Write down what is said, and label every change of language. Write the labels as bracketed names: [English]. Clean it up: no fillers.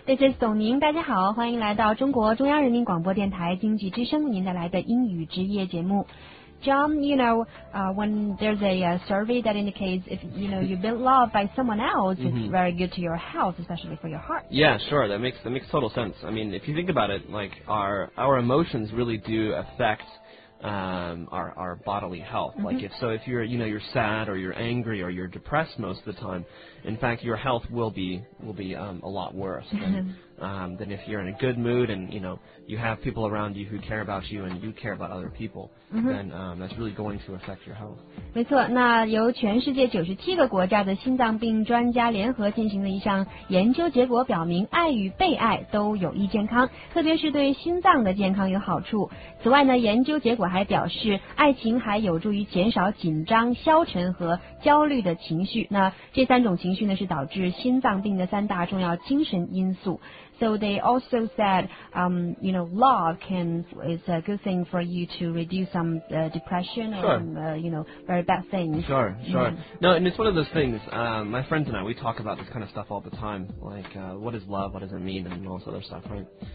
[English] This is [Chinese] 董宁，大家好，欢迎来到中国中央人民广播电台经济之声，您带来的英语之夜节目。 [English] John, you know, when there's a survey that indicates if, you know, you've been loved by someone else, it's very good to your health, especially for your heart. Yeah, sure. That makes total sense. I mean, if you think about it, like, our emotions really do affect... our bodily health. Like, if you're, you know, you're sad or you're angry or you're depressed most of the time, in fact, your health will be a lot worse than if you're in a good mood and, you know, you have people around you who care about you and you care about other people, then that's really going to affect your health. [Chinese] 没错，那由全世界97个国家的心脏病专家联合进行的一项研究结果表明，爱与被爱都有益健康，特别是对心脏的健康有好处。此外呢，研究结果还表示，爱情还有助于减少紧张、消沉和焦虑的情绪。那这三种情绪呢，是导致心脏病的三大重要精神因素。 [English] So they also said, you know, love can, it's a good thing for you to reduce some depression and, you know, very bad things. Sure, sure. No, and it's one of those things, my friends and I, we talk about this kind of stuff all the time, like, what is love, what does it mean, and all this other stuff, right?